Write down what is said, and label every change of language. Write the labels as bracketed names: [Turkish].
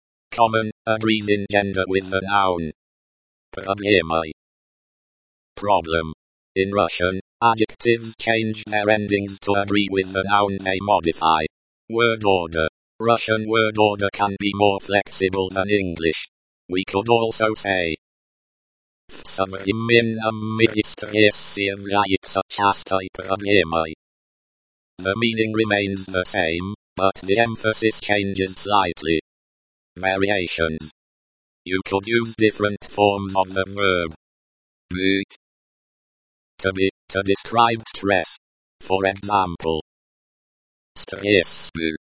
[English] Common, agrees in gender with the noun. Проблемой. Problem. In Russian, adjectives change their endings to agree with the noun they modify. Word order. Russian word order can be more flexible than English. We could also say. [Russian] В современном мире стрессе является частой проблемой. [English] The meaning remains the same, but the emphasis changes slightly. Variations. You could use different forms of the verb. Быть. To be, to describe stress. For example. [Russian] Стресс был.